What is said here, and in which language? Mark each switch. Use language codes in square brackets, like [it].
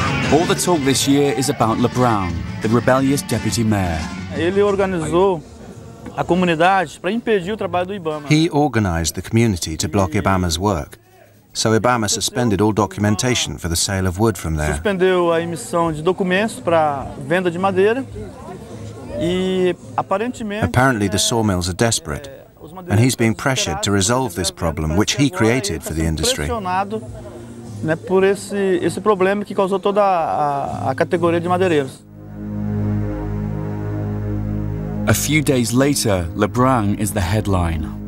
[en] All the talk this year is about LeBrown, the rebellious deputy mayor. [pt] Ele organizou a comunidade para impedir o trabalho do Ibama. [en] He organized the community to block Ibama's work. So Ibama suspended all documentation for the sale of wood from there. [pt] Suspendeu a emissão de documentos para venda de madeira. E aparentemente [en] apparently the sawmills are desperate and he's being pressured to resolve this problem which he created for the industry. [pt] Né, por esse problema que causou toda a categoria de madeireiros. [en] A few days later, LeBrun is the headline.